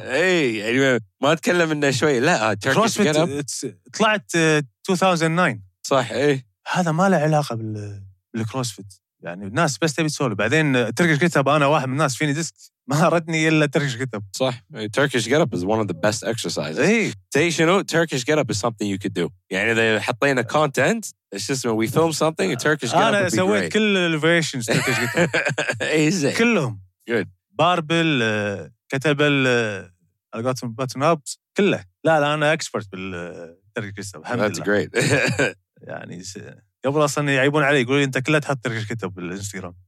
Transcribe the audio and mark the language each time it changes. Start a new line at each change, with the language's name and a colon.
Arabic: أي يعني ما أتكلم إنه شوي لا التركيش get up. طلعت 2009. صح أي. هذا ما له علاقة بالكروسفيت يعني الناس بس تبي تسولف. بعدين التركيش get up أنا واحد من الناس فيني ديسك ما ردني إلا التركيش get up. صح.
English: التركيش get up is one of the best exercises.
Arabic: أي.
English: Say you know التركيش get up is something you could do.
Arabic: يعني إذا حطينا content.
English: It's just when we film something, a Turkish get up would be great.
Arabic: أنا سويت كل الفيريشنز Turkish get up.
English: Easy.
Arabic: كلهم.
English: Good.
Arabic: باربل، كتبل، ألقاتهم بطن أبس، كله. لا أنا أكسبرت بالTurkish get up.
English: That's great.
Arabic: يعني قبل أصلاً يعيبون علي يقولوا لي أنت كله تحط Turkish get up بالإنستغرام.